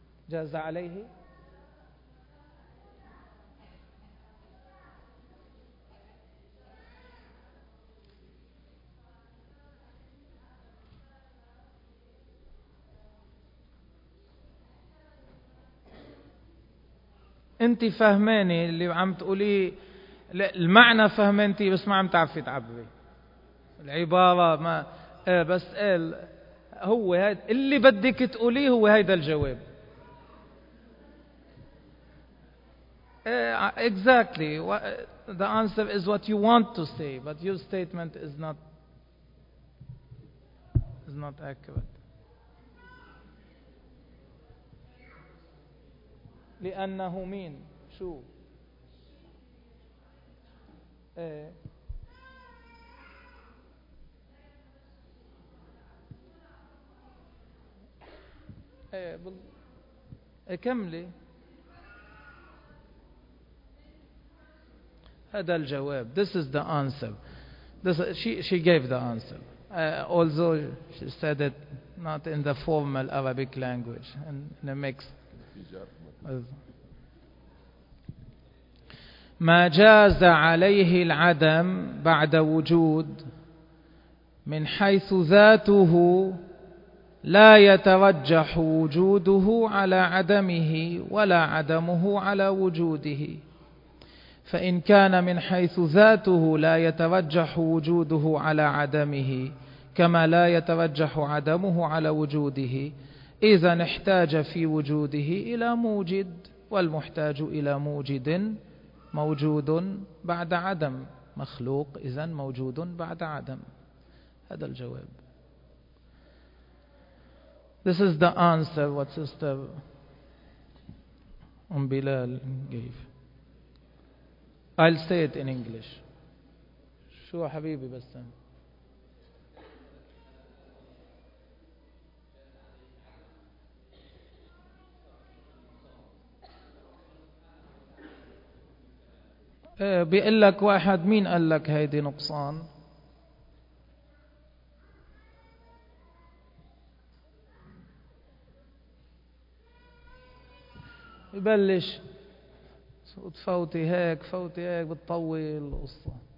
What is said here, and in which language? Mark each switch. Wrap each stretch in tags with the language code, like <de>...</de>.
<ar>جاز عليه؟ انت فهماني اللي عم تقولي، المعنى فهمانتي بس ما عم تعرفي تعبري العبارة ما. بس هو اللي بدك تقوليه هو هيدا الجواب.</ar> <en>Exactly the answer is what you want to say but your statement is not accurate.</en> <ar>لأنه مين؟ شو؟ إيه؟ إيه بل... كملي. هذا الجواب.</ar> <en>This is the answer. She gave the answer. Although she said it not in the formal Arabic language and in a mixed.</en> <ar>ما جاز عليه العدم بعد وجود من حيث ذاته لا يترجح وجوده على عدمه ولا عدمه على وجوده، فإن كان من حيث ذاته لا يترجح وجوده على عدمه كما لا يترجح عدمه على وجوده، إذن احتاج في وجوده إلى موجد، والمحتاج إلى موجد موجود بعد عدم، مخلوق إذن موجود بعد عدم. هذا الجواب.</ar> <en>This is the answer what Sister Bilal gave. I'll say it in English.</en> <ar>شو حبيبي بسام؟ بيقول لك واحد، مين قال لك هيدي نقصان؟ يبلش تفوتي هيك فوتي هيك بتطول القصة.</ar>